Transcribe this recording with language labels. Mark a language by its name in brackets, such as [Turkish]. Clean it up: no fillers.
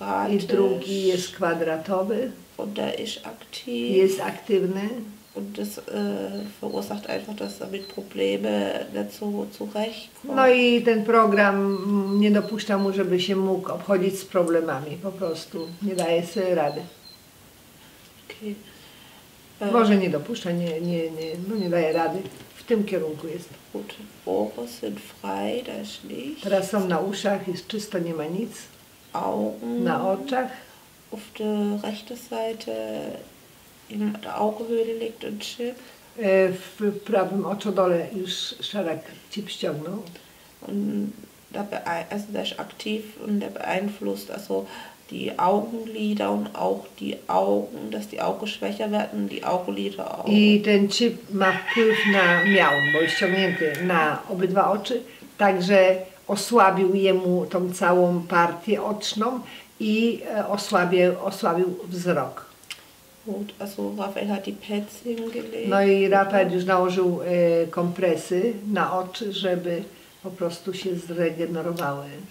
[Polish] I drugi jest kwadratowy. Jest aktywny. [German] Und das verursacht einfach, dass damit Probleme dazu zurechtkommen. [Polish] No i ten program nie dopuszcza mu, żeby się mógł obchodzić z problemami. Po prostu nie daje sobie rady. Okay. Może nie dopuszcza, nie daje rady. W tym kierunku jest. [German] Gut. Ohren sind frei, da ist nichts. [Polish] Teraz są na uszach, jest czysto, nie ma nic. [German] Augen. [Polish] Na oczach. [German] Auf der rechten Seite. In der Augenhöhle liegt ein Chip. [Polish] W prawym oczodole już szereg chip ściągnął. [German] Und da also der ist aktiv und der beeinflusst also die Augenlider und auch die Augen, dass die Augen schwächer werden, die Augenlider auch. [Polish] I ten chip ma wpływ na miał, bo jest ściągnięty na obydwa oczy, także osłabił jemu tą całą partię oczną i osłabił wzrok. [German] Also Rafael hat die Pads hingelegt. [Polish] No i Rafael już nałożył kompresy na oczy, żeby po prostu się zregenerowały.